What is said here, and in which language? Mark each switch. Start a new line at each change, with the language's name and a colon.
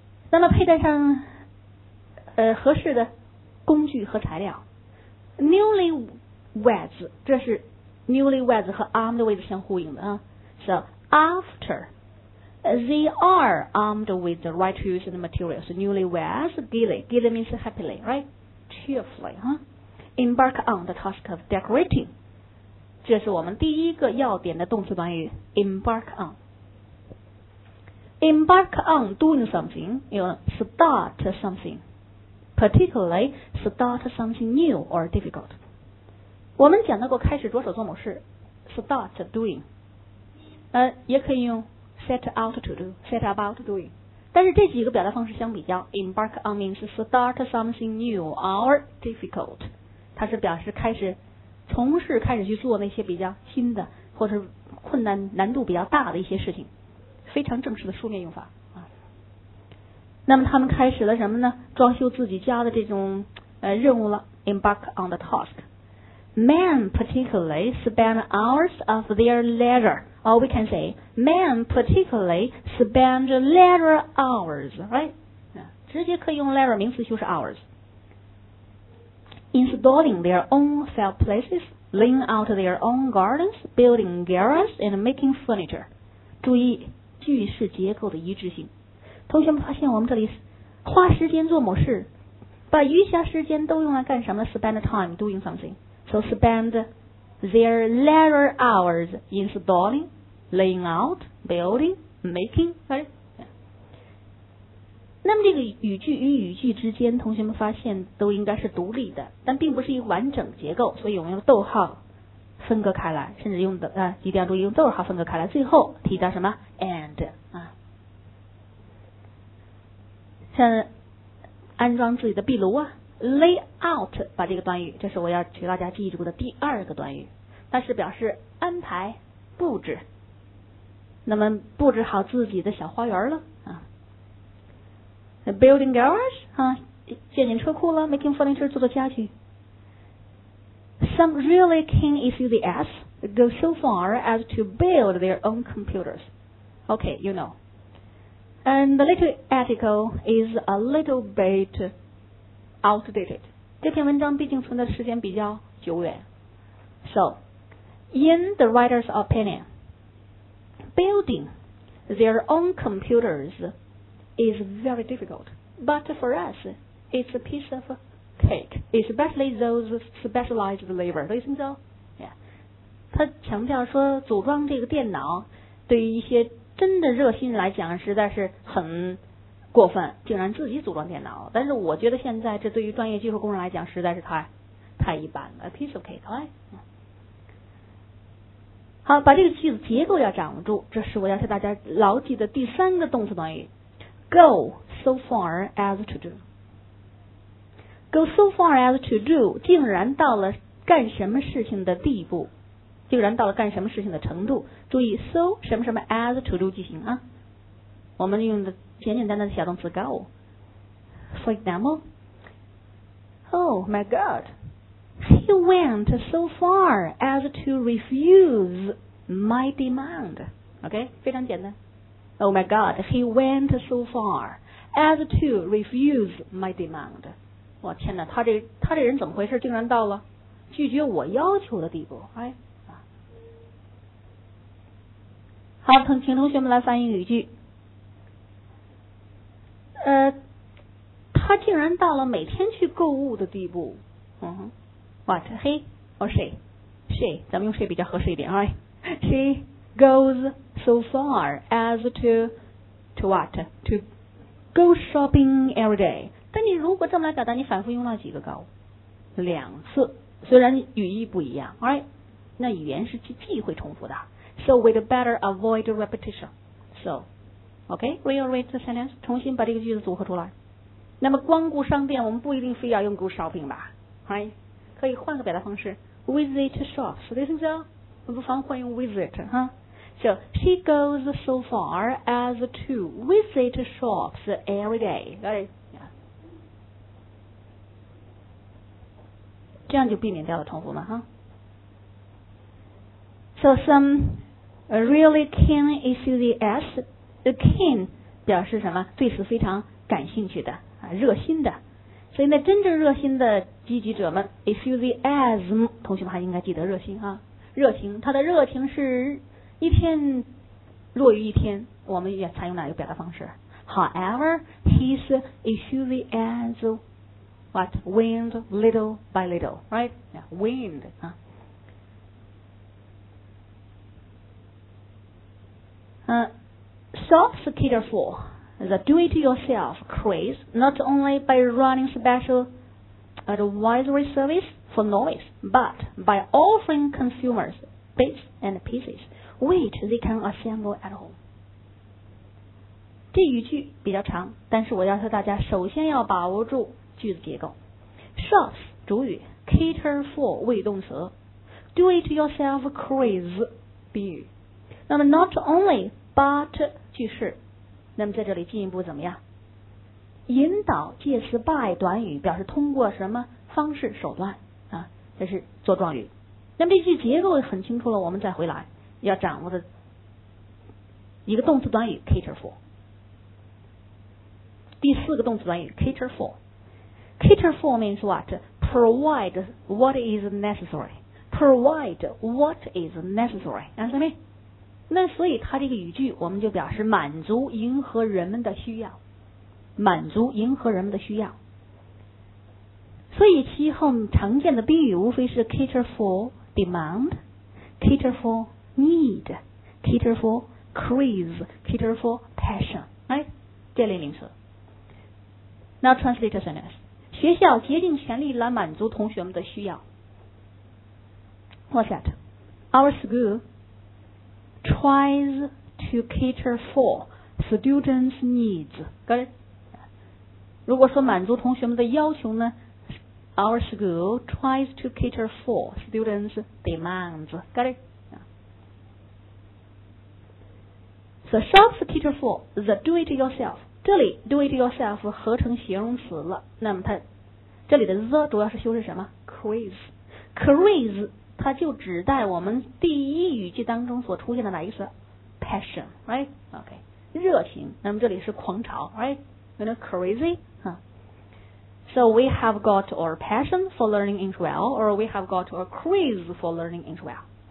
Chinese: 当他佩戴上合适的工具和材料， newlyweds， 这是 newlyweds 和 armed with 相呼应的啊。
English: So afterthey are armed with the right tools and materials. Newlyweds, gilly. Gilly means happily, right? Cheerfully, huh? Embark on the task of decorating.
Chinese: 这是我们第一个要点的动词短语 embark on.
English: Embark on doing something, you know, start something. Particularly, start something new or difficult.
Chinese: 我们讲到过开始着手做某事 start doing. 也可以用
English: set out to do, set about doing.
Chinese: 但是这几个表达方式相比较
English: embark on means start something new or difficult.
Chinese: 它是表示开始从事开始去做那些比较新的或者困难难度比较大的一些事情，非常正式的书面用法啊。那么他们开始了什么呢？装修自己家的这种任务了， embark on the task.
English: Men particularly spend hours of their leisureOr we can say, men particularly spend leisure hours, right?
Chinese: 直接可以用 leisure 名词修饰 hours.
English: Installing their own fireplaces, laying out their own gardens, building garages, and making furniture.
Chinese: 注意句式结构的一致性。同学们发现我们这里花时间做某事，把余下时间都用来干什么？
English: Spend time doing something. So spend their leisure hours installing,laying out, building, making, right?
Chinese: 那么这个语句与语句之间，同学们发现都应该是独立的，但并不是一个完整结构，所以我们用逗号分隔开来，甚至用的一定要注意用逗号分隔开来，最后提到什么 and 啊？像安装自己的壁炉啊 ，lay out， 把这个短语，这是我要请大家记住的第二个短语，它是表示安排、布置。那么布置好自己的小花园了啊 ，building garage 啊，建建车库了 ，making furniture 做做家具。
English: Some really keen enthusiasts go so far as to build their own computers. Okay, you know. And the little article is a little bit outdated.
Chinese: 这篇文章毕竟存的时间比较久远。
English: So, in the writer's opinion. Building their own computers is very difficult, but for us, it's a piece of cake, especially those specialized labor. Do you think so? Yeah.
Chinese: 他强调说，组装这个电脑对于一些真的热心人来讲，实在是很过分，竟然自己组装电脑。但是我觉得现在这对于专业技术工人来讲，实在是太一般了。
English: A piece of cake, right?
Chinese: 好，把这个句子结构要掌握住，这是我要向大家牢记的第三个动词短语 go so far as to do. Go so far as to do 竟然到了干什么事情的地步，竟然到了干什么事情的程度。注意 so 什么什么 as to do 句型啊，我们用的简简单单的小动词 go.
English: For example, oh my godHe went so far as to refuse my demand.
Chinese: OK, 非常简单。
English: Oh my God, he went so far as to refuse my demand.
Chinese: 哇天哪，他这人怎么回事，竟然到了拒绝我要求的地步。
English: Right?
Chinese: 好，请同学们来翻译语句。他竟然到了每天去购物的地步。
English: 嗯哼。What? He or she? She.
Chinese: 咱们用 she 比较合适一点 ，right?
English: She goes so far as to what? To go shopping every day.
Chinese: 但你如果这么来表达，你反复用了几个 go? 两次。虽然语义不一样 ，right? 那语言是忌讳重复的。
English: So we'd better avoid repetition. So, okay, rearrange the sentence.
Chinese: 重新把这个句子组合出来。那么光顾商店，我们不一定非要用 go shopping 吧 ？Right? 可以换个表达方式 visit shops.
English: Do you think so?
Chinese: 不妨换用
English: visit, huh? So, she goes so far as to visit shops every day. Got it? Yeah. 这样就避免掉了重复嘛 huh? So, some really keen enthusiasts, keen
Chinese: 表示什么？对此非常感兴趣的啊，热心的。所以呢，真正热心的积极者们 enthusiasm， 同学们还应该记得热心啊，热情，他的热情是一天弱于一天。我们也采用哪一个表达方式？
English: However, his enthusiasm what waned little by little, right? Yeah, waned 啊。 Self-cater for the do-it-yourself craze, not only by running special advisory service for noise, but by offering consumers bits and pieces which they can assemble at home.
Chinese: 这一句比较长，但是我要求大家首先要把握住句子结构。 Self 主语 ，cater for 谓动词 ，do-it-yourself craze 比喻。那么 not only but 句式，那么在这里进一步怎么样？引导介词 by 短语表示通过什么方式手段啊？这是做状语。那么这句结构很清楚了，我们再回来要掌握的一个动词短语 cater for， 第四个动词短语 cater for。
English: Cater for means what? Provide what is necessary. Provide what is necessary. Answer me.
Chinese: 那所以它这个语句我们就表示满足迎合人们的需要，满足迎合人们的需要。所以其后常见的宾语无非是 cater for demand, cater for need, cater for craze, cater for passion.
English: Right?
Chinese: 这类名词。
English: Now translate the sentence.
Chinese: 学校竭尽全力来满足同学们的需要。
English: What's that? Our school tries to cater for students' needs. Got it?
Chinese: 如果说满足同学们的要求呢
English: ？Our school tries to cater for students' demands. Got it? So shops cater for the do-it-yourself.
Chinese: 这里 do-it-yourself 合成形容词了，那么它。这里的 the 主要是修饰什么 craze， craze 它就指代我们第一语句当中所出现的哪一个词 passion， right， ok， 热情，那么这里是狂潮， right， you know crazy、
English: so we have got our passion for learning English well， or we have got our craze for learning English well。